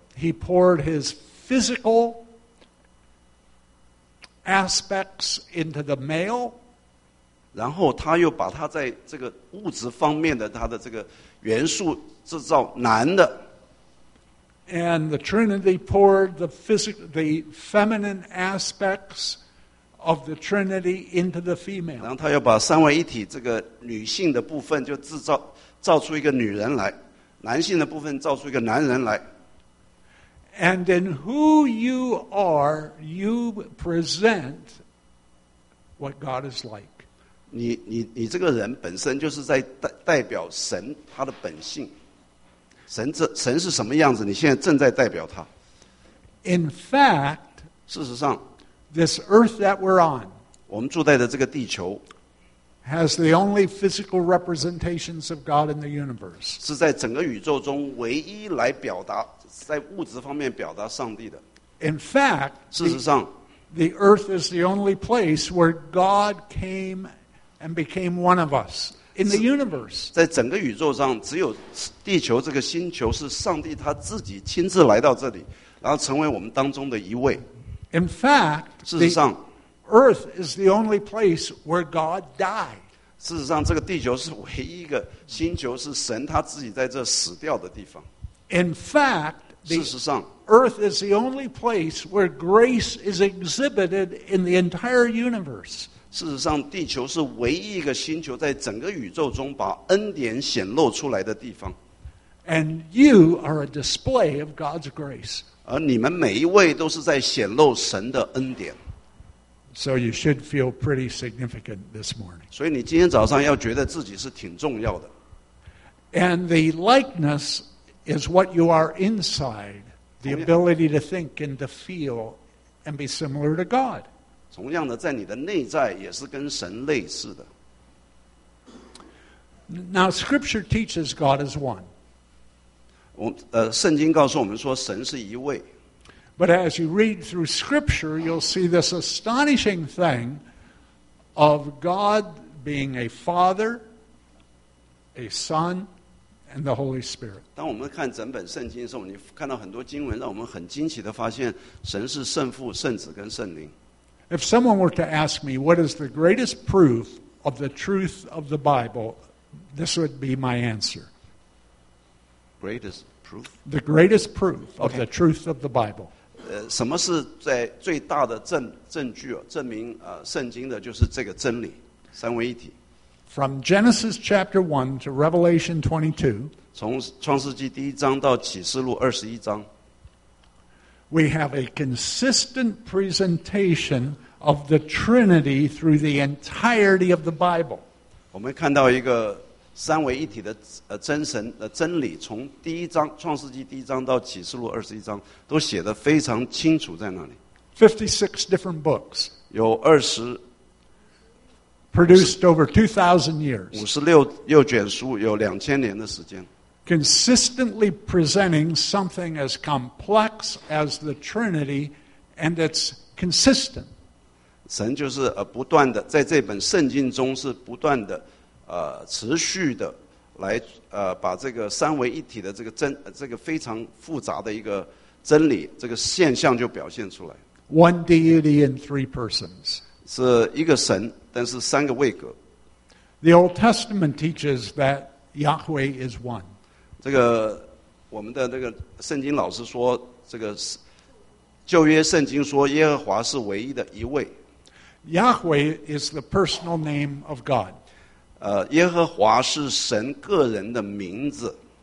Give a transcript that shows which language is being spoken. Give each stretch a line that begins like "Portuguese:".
English: he poured his physical aspects into the male.
Chinese: 然后他又把他在这个物质方面的他的这个元素制造男的。
English: And the Trinity poured the feminine aspects of the Trinity into the female.
Chinese: 然后他又把三位一体这个女性的部分就制造造出一个女人来，男性的部分造出一个男人来。
English: And in who you are, you present what God is like.
Chinese: 你这个人本身就是在代表神他的本性。神是什么样子？你现在正在代表他。
English: In fact,
Chinese: 事实上
English: this earth that we're on,
Chinese: 我们住在的这个地球
English: has the only physical representations of God in the universe.
Chinese: 是在整个宇宙中唯一来表达，在物质方面表达上帝的。
English: In fact,
Chinese: 事实上
English: the earth is the only place where God came and became one of us. In the universe,
Chinese: 在整个宇宙上，只有地球这个星球是上帝他自己亲自来到这里，然后成为我们当中的一位。
English: In fact,
Chinese: 事实上
English: ，Earth is the only place where God died.
Chinese: 事实上，这个地球是唯一一个星球是神他自己在这死掉的地方。
English: In fact,
Chinese: 事实上
English: ，Earth is the only place where grace is exhibited in the entire universe.
Chinese: 事实上地球是唯一一个星球在整个宇宙中把恩典显露出来的地方。
English: And you are a display of God's grace.
Chinese: 而你们每一位都是在显露神的恩典。
English: So you should feel pretty significant this morning.
Chinese: 所以你今天早上要觉得自己是挺重要的。
English: And the likeness is what you are inside, the ability to think and to feel and be similar to God.
Chinese: 同样的，在你的内在也是跟神类似的。
English: Now, Scripture teaches God is one.
Chinese: 圣经告诉我们说神是一位。
English: But as you read through Scripture, you'll see this astonishing thing of God being a Father, a Son, and the Holy Spirit.
Chinese: 当我们看整本圣经的时候，你看到很多经文，让我们很惊奇的发现，神是圣父、圣子跟圣灵。
English: If someone were to ask me what is the greatest proof of the truth of the Bible, this would be my answer. Greatest proof? The greatest proof of the truth of the Bible.
Chinese: 什么是在最大的证据、啊、证明圣经的就是这个真理，三位一体。
English: From Genesis chapter 1 to Revelation 22,
Chinese: 从创世纪第一章到启示录二十一章。
English: We have a consistent presentation of the Trinity through the entirety of the Bible.
Chinese: 我们看到一个三位一体的真神的真理，从第一章创世纪第一章到启示录二十一章，都写得非常清楚在那里。
English: 56 different books. produced over 2,000 years.
Chinese: 56卷书, 有2000年 的时间,
English: consistently presenting something as complex as the Trinity, and it's consistent.
Chinese: 神就是不断的在这本圣经中是不断的持续的来把这个三位一体的这个真这个非常复杂的一个真理这个现象就表现出来。
English: One deity in three persons.
Chinese: 是一个神，但是三个位格。
English: The Old Testament teaches that Yahweh is one.
Chinese: 这个我们的那个圣经老师说，这个旧约圣经说耶和华是唯一的一位。
English: Yahweh is the personal name of God.
Chinese: 耶和华是神个人的名字。